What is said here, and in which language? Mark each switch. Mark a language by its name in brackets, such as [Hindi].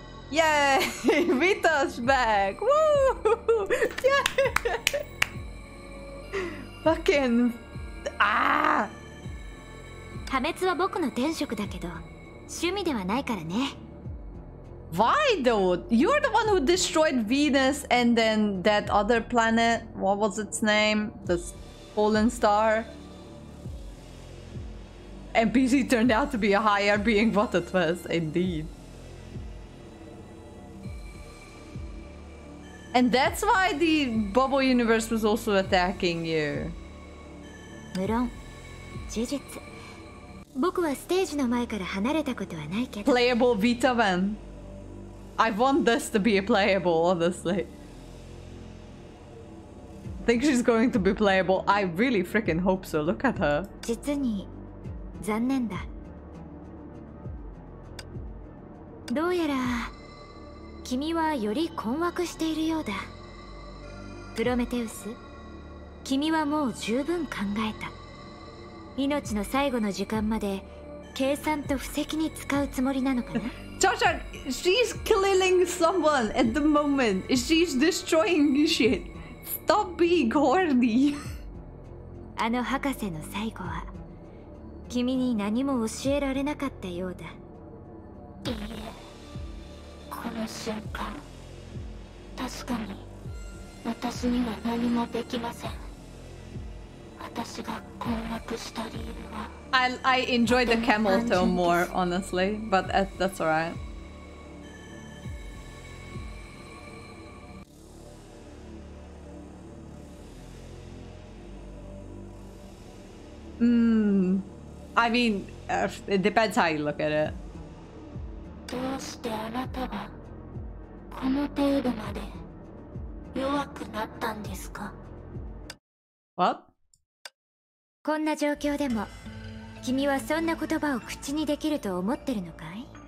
[English] Yay! Vita's back! Woo! Yay! Fucking... Ah! [Japanese] 破滅は僕の天職だけど、趣味ではないからね。 [English] Why though? You're the one who destroyed Venus and then that other planet. What was its name? The fallen star. NPC turned out to be a higher being. What a twist, indeed. And that's why the bubble universe was also attacking you. [Japanese] 無論、事実。僕はステージの前から離れたことはないけど。 [English] Playable Vita man. I want this to be playable, honestly. I think she's going to be playable. I really freaking hope so. Look at her. [Japanese] 実に残念だ。どうやら君はより困惑しているようだ。プロメテウス、君はもう十分考えた。命の最後の時間まで計算と布石に使うつもりなのかな。 [English] Chacha, she's killing someone at the moment. She's destroying shit. Stop being horny. [Japanese] あの博士の最後は、君に何も教えられなかったようだ。いいえ、この瞬間、確かに私には何もできません。私が困惑した理由は、 [English] I enjoy the camel toe more, honestly, but that's alright. I mean, it depends how you look at it. [Japanese] どうしてあなたはこの程度まで弱くなったんですか? [English] What? [Japanese] こんな状況でも君はそんな言葉を口にできると思ってるのかい?